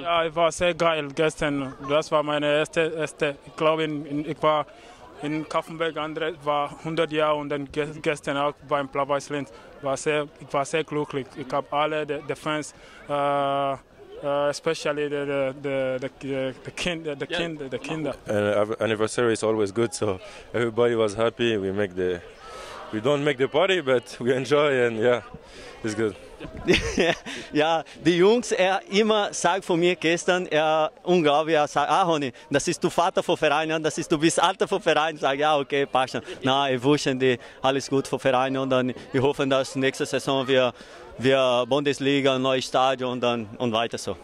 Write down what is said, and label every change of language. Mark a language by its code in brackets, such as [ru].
[de] Ja, es war sehr geil gestern. Das war meine erste, ich glaube, ich war in Kaffenberg, André war 100 Jahre und dann gestern auch beim Blau-Weiß Linz. Ich war sehr glücklich. Ich habe alle die Fans, [en] especially the [de] Kinder. [en] An anniversary is always good, so everybody was happy. We don't make the party, but we enjoy and yeah, it's good. [de] Ja, die Jungs, er immer sagt von mir gestern, er unglaublich, er sagt, Honi, das ist du Vater vom Verein, das ist du bist Alter vom Verein. Ich sage, ja, okay, passt schon. Na, ich wünsche dir alles gut vom Verein und dann ich hoffe, dass nächste Saison wir Bundesliga, ein neues Stadion und dann und weiter so.